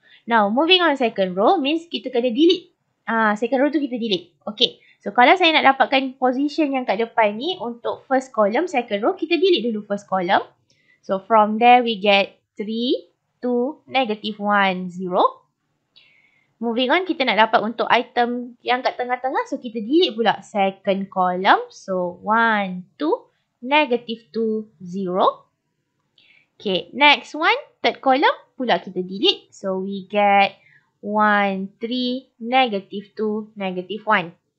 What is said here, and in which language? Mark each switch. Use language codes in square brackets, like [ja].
[en] Now, moving on second row means [ms] kita kena [en] delete. Second row [ms] tu kita [en] delete. Okay. [ms] So, kalau saya nak dapatkan position yang kat depan ni untuk first column, second row, kita delete dulu first column. [en] So, from there, we get 3, 2, negative 1, 0. [ms] Moving on, kita nak dapat untuk item yang kat tengah-tengah. So, kita delete pula second column. [en] So, 1, 2, negative 2, 0. Okay, next one, third column [ms] pula kita [en] delete. So, we get 1, 3, negative 2, negative 1.